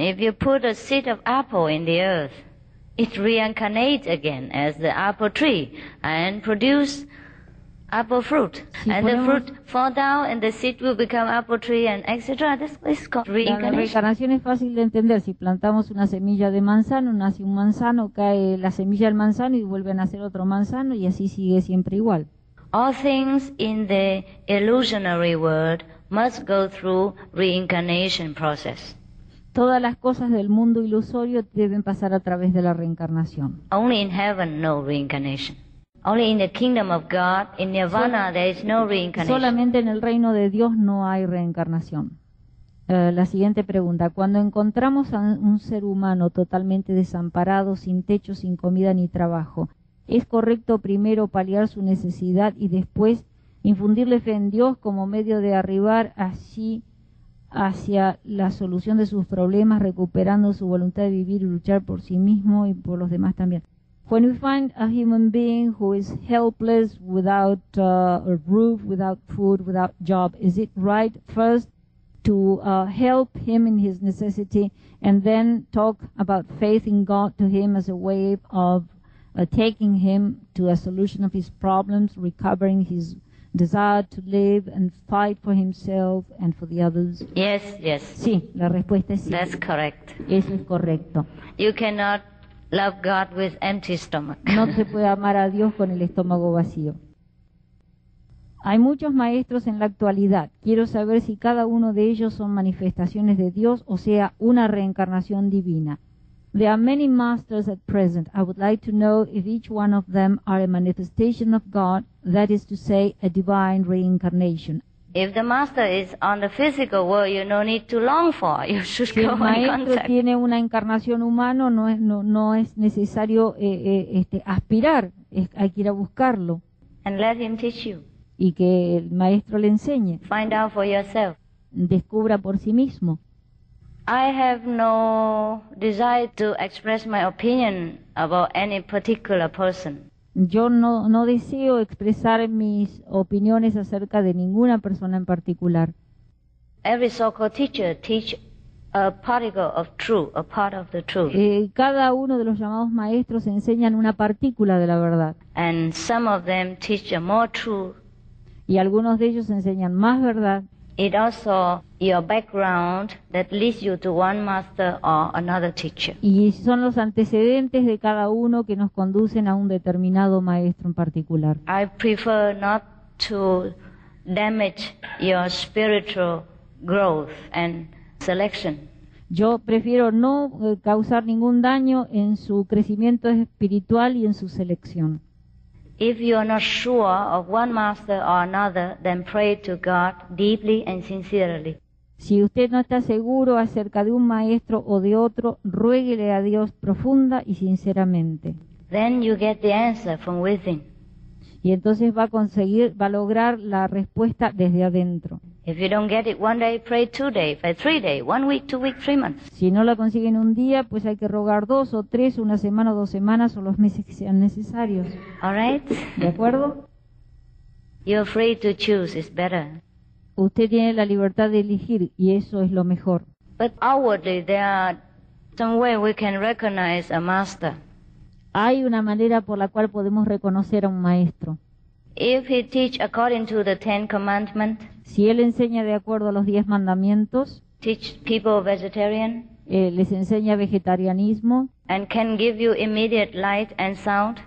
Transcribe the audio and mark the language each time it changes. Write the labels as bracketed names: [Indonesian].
[English] If you put a seed of apple in the earth, it reincarnates again as the apple tree and produce apple fruit. [Spanish] Si [English] and the fruit fall down and the seed will become apple tree and etc. This is called reincarnation. [Spanish] La reencarnación es fácil de entender. Si plantamos una semilla de manzano, nace un manzano, cae la semilla del manzano y vuelve a nacer otro manzano y así sigue siempre igual. [English] All things in the illusionary world must go through reincarnation process. [Spanish] Todas las cosas del mundo ilusorio deben pasar a través de la reencarnación. [English] Only in heaven, no reincarnation. Only in the kingdom of God, in Nirvana, there is no reincarnation. [Spanish] Solamente en el reino de Dios no hay reencarnación. La siguiente pregunta. Cuando encontramos a un ser humano totalmente desamparado, sin techo, sin comida ni trabajo, ¿Es correcto primero paliar su necesidad y después infundirle fe en Dios como medio de arribar así hacia la solución de sus problemas, recuperando su voluntad de vivir y luchar por sí mismo y por los demás también? [English] When we find a human being who is helpless, without a roof, without food, without job, is it right first to help him in his necessity and then talk about faith in God to him as a way of taking him to a solution of his problems, recovering his desire to live and fight for himself and for the others? Yes, yes. [Spanish] Sí, la respuesta es sí. [English] That's correct. [Spanish] Eso es correcto. [English] You cannot love God with empty stomach. [Spanish] No se puede amar a Dios con el estómago vacío. Hay muchos maestros en la actualidad. Quiero saber si cada uno de ellos son manifestaciones de Dios, o sea, una reencarnación divina. [English] There are many masters at present. I would like to know if each one of them are a manifestation of God, that is to say, a divine reincarnation. If the master is on the physical world, you no need to long for. You should come in contact. [Spanish] Si el maestro tiene una encarnación humana, no es necesario aspirar. Hay que ir a buscarlo. [English] And let him teach you. [Spanish] Y que el maestro le enseñe. [English] Find out for yourself. [Spanish] Descubra por sí mismo. [English] I have no desire to express my opinion about any particular person. [Spanish] Yo no deseo expresar mis opiniones acerca de ninguna persona en particular. [English] Every so-called teacher teach a particle of truth, a part of the truth. [Spanish] Cada uno de los llamados maestros enseñan una partícula de la verdad. [English] And some of them teach a more truth. [Spanish] Y algunos de ellos enseñan más verdad. [English] It also your background that leads you to one master or another teacher. [Spanish] Y son los antecedentes de cada uno que nos conducen a un determinado maestro en particular. [English] I prefer not to damage your spiritual growth and selection. [Spanish] Yo prefiero no causar ningún daño en su crecimiento espiritual y en su selección. [English] If you are not sure of one master or another, then pray to God deeply and sincerely. [Spanish] Si usted no está seguro acerca de un maestro o de otro, ruéguele a Dios profunda y sinceramente. [English] Then you get the answer from within. [Spanish] Y entonces va a lograr la respuesta desde adentro. [English] If you don't get it one day, pray 2 days, pray 3 days, 1 week, 2 weeks, 3 months. [Spanish] Si no la consigue en un día, pues hay que rogar 2 o 3, una semana, 2 semanas o los meses que sean necesarios. [English] All right. [Spanish] ¿De acuerdo? [English] You're free to choose, it's better. [Spanish] Usted tiene la libertad de elegir y eso es lo mejor. [English] But outwardly, there are some way we can recognize a master. [Spanish] Hay una manera por la cual podemos reconocer a un maestro. [English] If he teach according to the Ten Commandments, [Spanish] si él enseña de acuerdo a los 10 mandamientos, [English] teach people vegetarian, [Spanish] les enseña vegetarianismo, [English] and can give you immediate light and sound,